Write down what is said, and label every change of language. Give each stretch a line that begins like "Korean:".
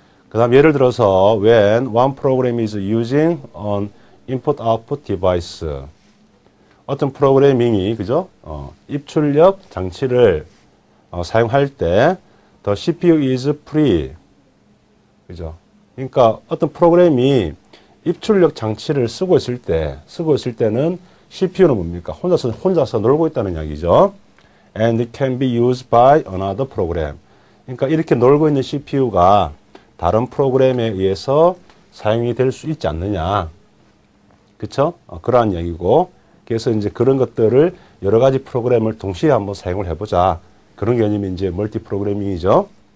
Korean: 그다음 예를 들어서
English: when one program is using an input/output device, 어떤 프로그래밍이 그죠 입출력 장치를 사용할 때, the CPU is free.
Korean: 그죠? 그러니까 어떤 프로그램이 입출력 장치를 쓰고 있을 때는 CPU는 뭡니까? 혼자서 놀고 있다는 이야기죠.
English: And it can be used by another program.
Korean: 그러니까 이렇게 놀고 있는 CPU가 다른 프로그램에 의해서 사용이 될수 있지 않느냐. 그쵸? 그러한 이야기고. 그래서 이제 그런 것들을 여러 가지 프로그램을 동시에 한번 사용을 해보자. 그런 개념이 이제 멀티 프로그래밍이죠.